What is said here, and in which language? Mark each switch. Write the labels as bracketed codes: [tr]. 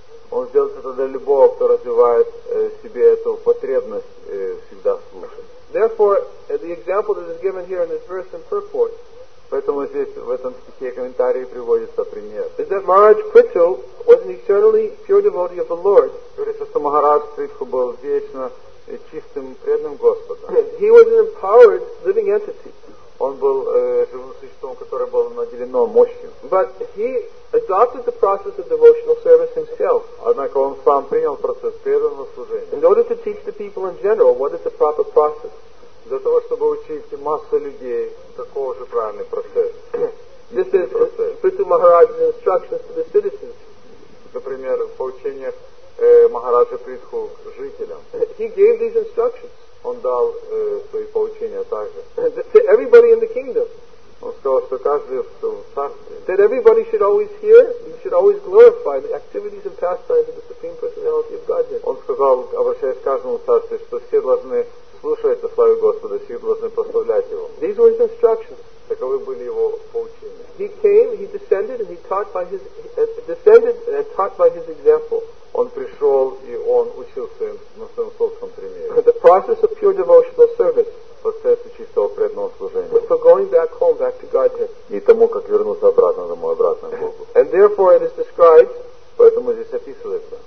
[ru] Он сделает это для любого, кто развивает себе эту потребность всегда слушать. [en] Therefore, the example that is given here in this verse and purport. [ru] Поэтому здесь в этом стихе комментарии приводится пример. [en] Is that Maharaj Prithu was an eternally pure devotee of the Lord. [ru] Говорится, что Махарадж Притху был вечно чистым преданным Господа. [en] He was an empowered living entity. [ru] Он был живым существом, которое было наделено мощью. [en] But he adopted the process of devotional service himself. [ru] Однако он сам принял процесс преданного служения. [en] In order to teach the people in general what is the proper process. [ru] Для того, чтобы учить массу людей, какого же правильный процесс. [en] This is Prithu Maharaj's instructions to the citizens. [ru] Например, поучение Махараджа Притху жителям. [en] He gave these instructions. [ru] Он дал свои поучения также. [en] To everybody in the kingdom. [ru] Он сказал, что каждый в царстве. [en] That everybody should always hear, and should always glorify the activities and pastimes of the Supreme Personality of Godhead. [ru] Он сказал, обращаясь к каждому царству, что все должны слушать о славе Господа, все должны прославлять Его. [en] These were his instructions. [ru] Таковы были его поучения. [en] He came, he descended, and he taught by his descended and taught by his example. [ru] Он пришел и он учил на своем собственном примере. [en] The process of pure devotional service. [ru] Процесс чистого преданного служения. [en] For going back home, back to Godhead. [ru] И тому, как вернуться обратно домой, обратно к Богу. [en] And therefore it is described. [ru] Поэтому здесь описывается.